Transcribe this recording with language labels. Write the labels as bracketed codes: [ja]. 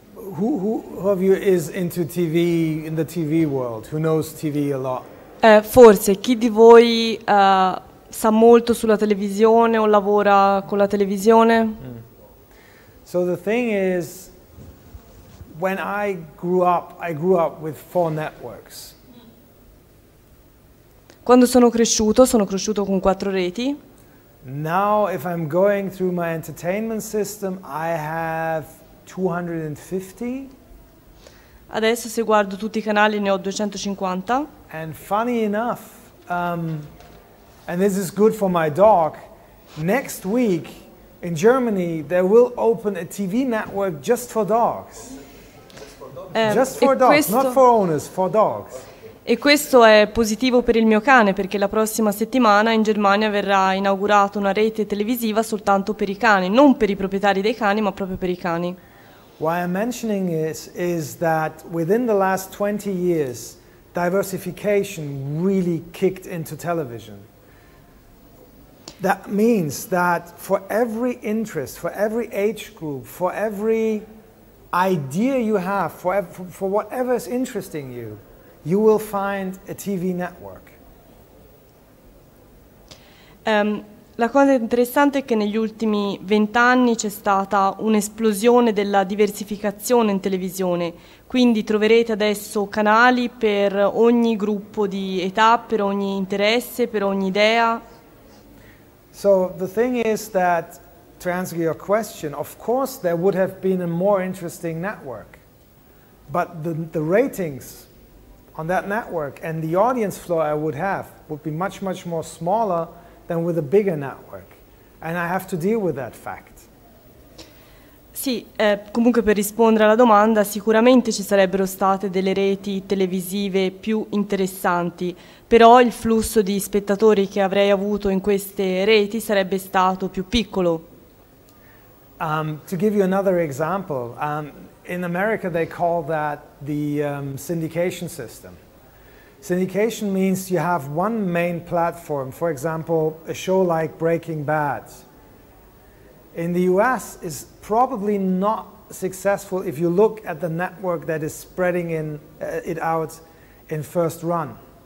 [en] Who of you is into TV, in the TV world? Who knows TV a lot? [it] Forse chi di voi sa molto sulla televisione o lavora con la televisione? [en] So the thing is, when I grew up with four networks. [it] Quando sono cresciuto con quattro reti. [en] Now if I'm going through my entertainment system, I have 250. [it] Adesso se guardo tutti i canali ne ho 250. [en] And funny enough, and this is good for my dog, next week in Germany they will open a TV network just for dogs. Just for dogs, [it] questo, [en] not for owners, for dogs. [it] E questo è positivo per il mio cane, perché la prossima settimana in Germania verrà inaugurata una rete televisiva soltanto per i cani, non per i proprietari dei cani, ma proprio per i cani. [en] Why I'm mentioning this is that within the last 20 years, diversification really kicked into television. That means that for every interest, for every age group, for every idea you have, for whatever is interesting you, you will find a TV network. [it] La cosa interessante è che negli ultimi 20 anni c'è stata un'esplosione della diversificazione in televisione, quindi troverete adesso canali per ogni gruppo di età, per ogni interesse, per ogni idea. [en] So the thing is that, to answer your question, of course there would have been a more interesting network, but the ratings on that network and the audience flow I would be much, much more smaller than with a bigger network, and I have to deal with that fact. [it] Sì, comunque per rispondere alla domanda, sicuramente ci sarebbero state delle reti televisive più interessanti, però il flusso di spettatori che avrei avuto in queste reti sarebbe stato più piccolo. [en] To give you another example, in America they call that the syndication system. Syndication means you have one main platform, for example, a show like Breaking Bad. In the US, it's probably not successful if you look at the network that is spreading it out in first run.